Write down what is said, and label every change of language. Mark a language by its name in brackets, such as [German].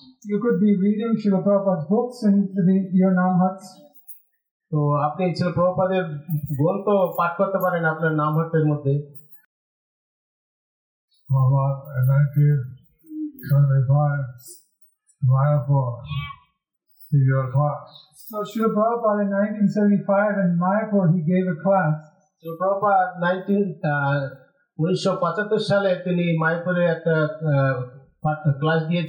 [English] You could be reading Srila Prabhupada's books in your naam huts. [Bangla] So, আপনি Srila Prabhupada's গ্রন্থ পাঠ করতে পারেন আপনার নাম হাটের মধ্যে. [English] Prabhupada, in 1975, Mayapur, he gave a class. So, Srila Prabhupada in 1975 in Mayapur, he gave a class. [Bangla] So, Prabhupada, 1975 সালে তিনি মায়াপুরে একটা ক্লাস